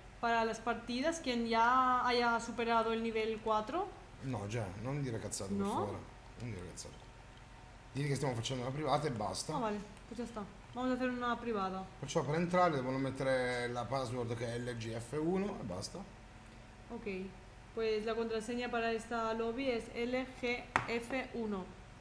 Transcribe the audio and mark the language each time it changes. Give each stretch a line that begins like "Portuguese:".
Spanish: Para las partidas, quien ya haya superado el nivel 4.
Italian: No, già, non dire cazzate, per No. favore. Non dire cazzate. Dire che stiamo facendo una privata e basta. Ah,
Spanish: vale, già sta. Vamos a hacer una privada.
Italian: per entrare, devono mettere la password che è LGF1 e basta.
Spanish: Ok, pues la contraseña para esta lobby es LGF1.